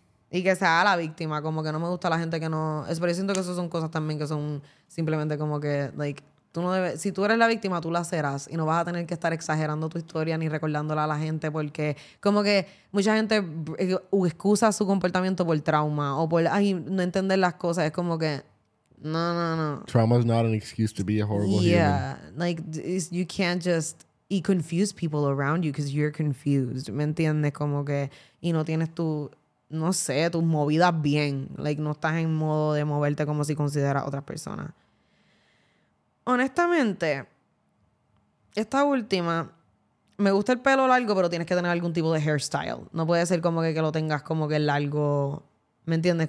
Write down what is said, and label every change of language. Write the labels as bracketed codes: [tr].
[es] Y que sea la víctima, como que no me gusta la gente que no... Es, pero yo siento que eso son cosas también que son simplemente como que, like, tú no debes... Si tú eres la víctima, tú la serás y no vas a tener que estar exagerando tu historia ni recordándola a la gente porque como que mucha gente excusa su comportamiento por trauma o por ay, no entender las cosas. Es como que... No. [en] Trauma is not an excuse to be a horrible yeah, human. Yeah. Like, you can't just... Y confuse people around you because you're confused. [es] ¿Me entiendes? Como que... Y no tienes tu... No sé, tus movidas bien. Like, no estás en modo de moverte como si consideras otras personas. Honestamente, esta última, me gusta el pelo largo, pero tienes que tener algún tipo de hairstyle. No puede ser como que lo tengas como que largo, ¿me entiendes?